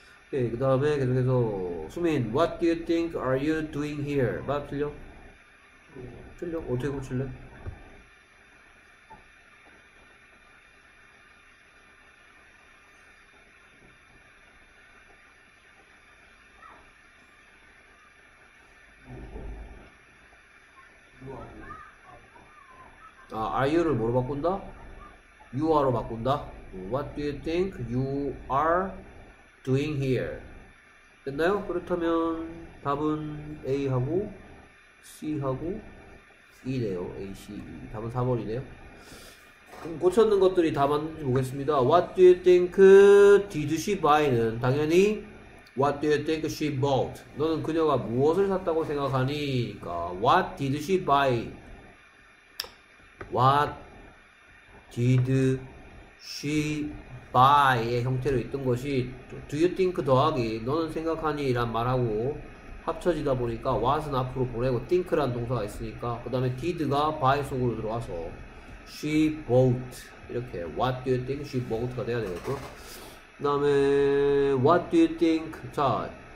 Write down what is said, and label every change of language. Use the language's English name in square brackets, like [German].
[Korean] 네, 그 다음에 계속해서, 수민. [English] What do you think are you doing here? [Korean] 맞아, 틀려? 틀려? 어떻게 고칠래? 아, are you를 뭐로 바꾼다? you are로 바꾼다. [English] what do you think you are doing here? [Korean] 됐나요? 그렇다면 답은 A하고 C하고 E네요. A, C, E. 답은 4번이네요. 그럼 고쳤는 것들이 다 맞는지 보겠습니다. [English] what do you think did she buy [Korean] 는 당연히 [English] what do you think she bought? [Korean] 너는 그녀가 무엇을 샀다고 생각하니? 그러니까 [English] what did she buy? What did she buy [Korean] 의 형태로 있던 것이 [English] Do you think [Korean] 더하기 너는 생각하니 이란 말하고 합쳐지다 보니까 what은 앞으로 보내고 think란 동사가 있으니까 그 다음에 did가 buy 속으로 들어와서 [English] she bought [Korean] 이렇게 [English] what do you think she bought [Korean] 가 돼야 되겠고 그 다음에 [English] what do you think [Korean] 자